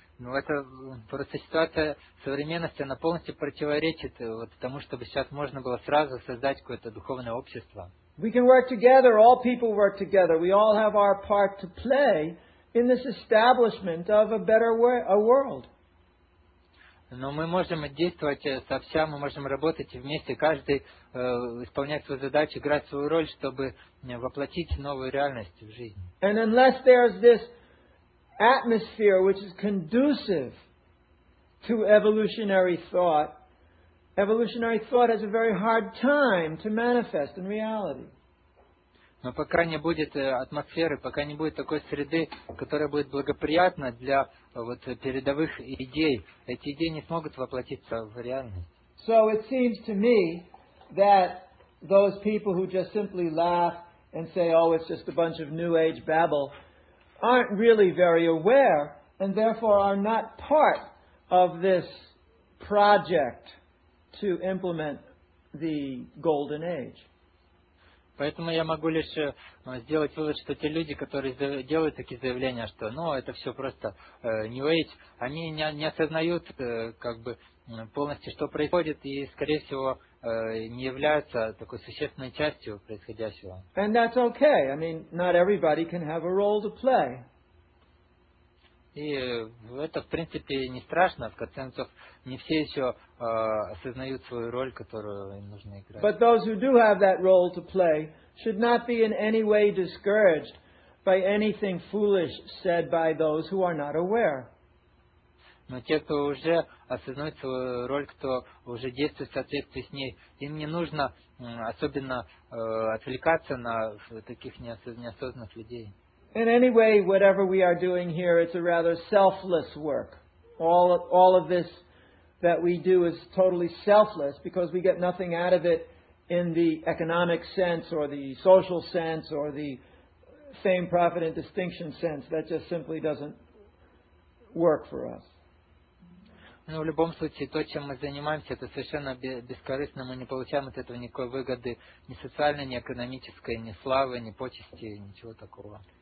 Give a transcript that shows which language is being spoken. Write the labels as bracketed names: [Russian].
[Russian] Но это просто ситуация современности, она полностью противоречит вот тому, чтобы сейчас можно было сразу создать какое-то духовное общество. [English] We can work together, all people work together. We all have our part to play in this establishment of a better way, a world. [Russian] Но мы можем действовать сообща, мы можем работать вместе, каждый исполнять свою задачу, играть свою роль, чтобы воплотить новую реальность в жизнь. [English] And unless there is this atmosphere which is conducive to evolutionary thought has a very hard time to manifest in reality. [Russian] Но пока не будет атмосферы, пока не будет такой среды, которая будет благоприятна для вот передовых идей, эти идеи не смогут воплотиться в реальность. [English] So it seems to me that those people who just simply laugh and say, oh, it's just a bunch of new age babble, aren't really very aware and therefore are not part of this project to implement the golden age. [Russian] Поэтому я могу лишь сделать вывод, что те люди, которые делают такие заявления, что ну, это все просто New Age, они не осознают как бы полностью, что происходит, и, скорее всего, не являются такой существенной частью происходящего. [English] And that's okay. I mean, not everybody can have a role to play. [Russian] И это, в принципе, не страшно. В конце концов, не все еще осознают свою роль, которую им нужно играть. [English] But those who do have that role to play should not be in any way discouraged by anything foolish said by those who are not aware. [Russian] Но те, кто уже осознает свою роль, кто уже действует в соответствии с ней, им не нужно особенно отвлекаться на таких неосознанных людей. [English] In any way, whatever we are doing here, it's a rather selfless work. All of this that we do is totally selfless because we get nothing out of it in the economic sense or the social sense or the fame, profit, and distinction sense. That just simply doesn't work for us. [Russian] Ну, в любом случае, то, чем мы занимаемся, это совершенно бескорыстно. Мы не получаем от этого никакой выгоды, ни социальной, ни экономической, ни славы, ни почести, ничего такого.